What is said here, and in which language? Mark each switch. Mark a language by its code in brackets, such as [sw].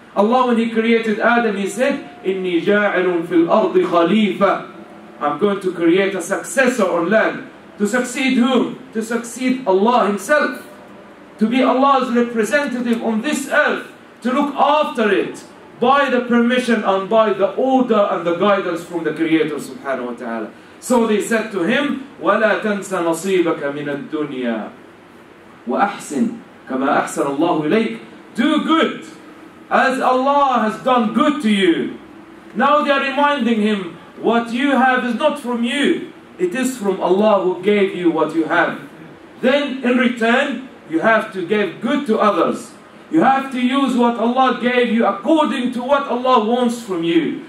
[en] Allah, when He created Adam, He said, [ar] إِنِّي جَاعِلٌ فِي الْأَرْضِ خَلِيفَةً. [en] I'm going to create a successor on land. To succeed whom? To succeed Allah Himself. To be Allah's representative on this earth. To look after it by the permission and by the order and the guidance from the Creator subhanahu wa ta'ala. So they said to him, [ar] وَلَا تَنْسَ نَصِيبَكَ مِنَ الدُّنْيَا وَأَحْسِنْ كَمَا أَحْسَنَ اللَّهُ إِلَيْكَ. [en] Do good as Allah has done good to you. Now they are reminding him, what you have is not from you. It is from Allah who gave you what you have. Then in return, you have to give good to others. You have to use what Allah gave you according to what Allah wants from you.